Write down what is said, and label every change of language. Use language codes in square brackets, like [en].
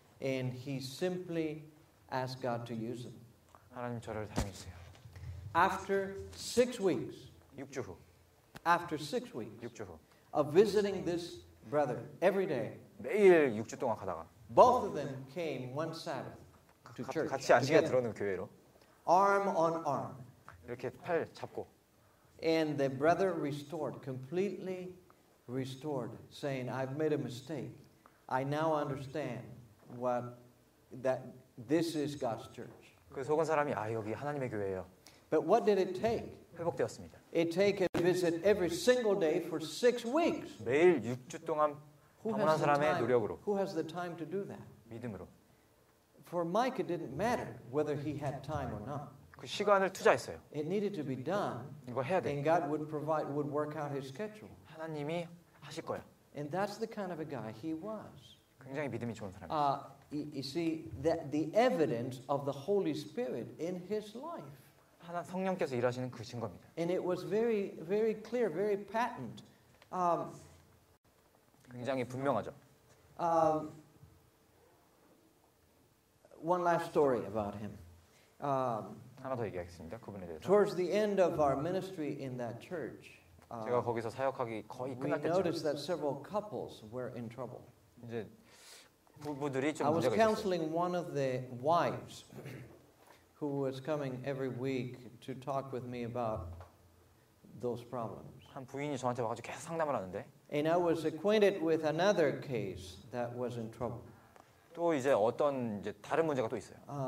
[en] And he simply asked God to use him. [ko] 하나님 저를 사용했어요. [en] After 6 weeks. [ko] 6주 후. [en] After 6 weeks. [ko] 6주 후. [en] Of visiting this brother every day. [ko] 매일 6주 동안 가다가. [en] Both of them came one Sabbath. [ko] 같이 안식에 들어오는 교회로. [en] Arm on arm. [ko] 이렇게 팔 잡고. [en] And the brother restored, completely restored, saying, "I've made a mistake. I now understand what that this is God's church." [ko] 그 속은 사람이 아 여기 하나님의 교회예요. [en] But what did it take? [ko] 회복되었습니다. [en] It takes a visit every single day for 6 weeks. [ko] 매일 6주 동안 방문한 사람의 노력으로. [en] Who has the time to do that? [ko] 믿음으로. [en] For Mike, it didn't matter whether he had time or not. [ko] 그 시간을 투자했어요. [en] It needed to be done. [ko] 이거 해야 돼. [en] And God would provide, would work out his schedule. [ko] 하나님이 하실 거야. [en] And that's the kind of a guy he was. [ko] 굉장히 믿음이 좋은 사람. [en] You see that the evidence of the Holy Spirit in his life. [ko] 하나 성령께서 일하시는 그 증거입니다. [en] And it was very, very clear, very patent. [ko] 굉장히 분명하죠. [en] One last story about him. [ko] 하나 더 얘기하겠습니다. 그분에 대해서. [en] Towards the end of our ministry in that church, [ko] 제가 거기서 사역하기 거의 끝날 때쯤. [en] We noticed that several couples were in trouble. [ko] 이제 부부들이 좀 문제가 있었어요. [en] I was counseling one of the wives who was coming every week to talk with me about those problems. [ko] 한 부인이 저한테 와가지고 계속 상담을 하는데. [en] And I was acquainted with another case that was in trouble. [ko] 또 이제 어떤 이제 다른 문제가 또 있어요.